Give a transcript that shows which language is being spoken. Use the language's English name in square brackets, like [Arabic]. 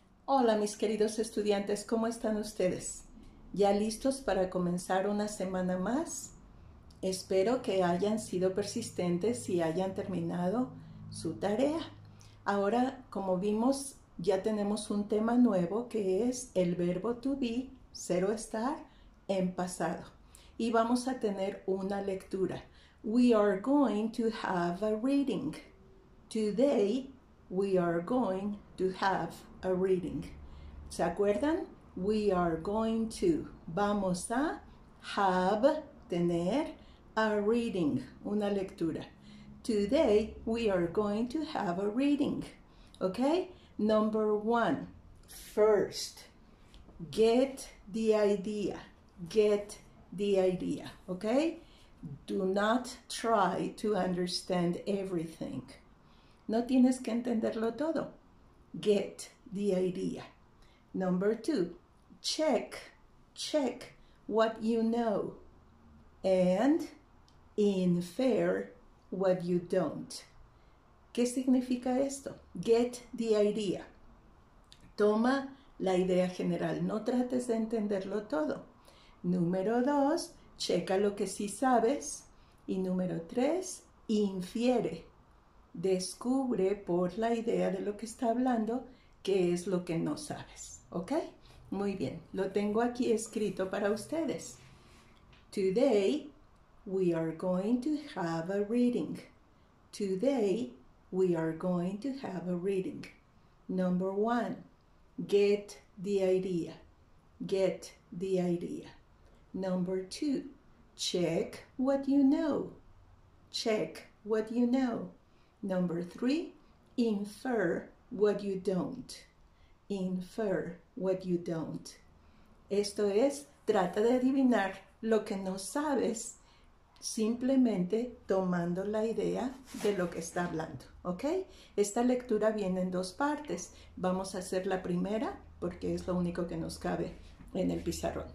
[Spanish] Hola, mis queridos estudiantes, ¿cómo están ustedes? ¿Ya listos para comenzar una semana más? Espero que hayan sido persistentes y hayan terminado su tarea. Ahora, como vimos, ya tenemos un tema nuevo que es el verbo to be, ser o estar, en pasado. Y vamos a tener una lectura. [English] We are going to have a reading. Today, we are going to have a reading. [Spanish] ¿Se acuerdan? [English] We are going to. [Spanish] Vamos a [English] have, [Spanish] tener, [English] a reading, [Spanish] una lectura. [English] Today, we are going to have a reading. ¿Ok? Number one. First. Get the idea. Get the idea. ¿Ok? Do not try to understand everything. [Spanish] No tienes que entenderlo todo. [English] Get the idea. Number two. Check. Check what you know. And infer what you don't. [Spanish] ¿Qué significa esto? [English] Get the idea. [Spanish] Toma la idea general. No trates de entenderlo todo. Número dos. Checa lo que sí sabes. Y número tres. Infiere. Descubre por la idea de lo que está hablando qué es lo que no sabes. ¿Ok? Muy bien, lo tengo aquí escrito para ustedes. [English] Today, we are going to have a reading. Today, we are going to have a reading. Number one, get the idea. Get the idea. Number two, check what you know. Check what you know. Number three, infer what you don't. Infer what you don't. [Spanish] Esto es, trata de adivinar lo que no sabes simplemente tomando la idea de lo que está hablando. ¿Ok? Esta lectura viene en dos partes. Vamos a hacer la primera porque es lo único que nos cabe en el pizarrón.